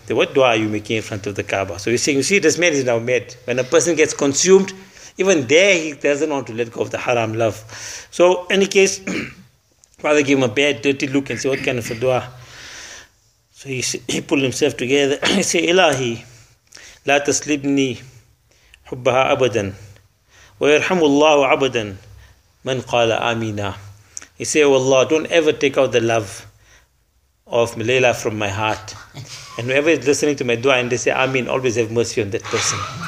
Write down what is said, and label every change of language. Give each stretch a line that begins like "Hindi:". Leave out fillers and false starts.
English: What dua are you making in front of the Kaaba? So he's saying, you see, this man is now mad. When a person gets consumed, even there he doesn't want to let go of the haram love. So any case, father gave him a bad, dirty look and said, what kind of a dua? So he pulled himself together. He said,
Arabic: Ilahi, لا تسلبني حبها ابدا ويرحم الله عبدا من قال امينا.
English: He said, oh Allah, don't ever take out the love of Layla from my heart. And whoever is listening to my dua and they say Amin, always have mercy on that person.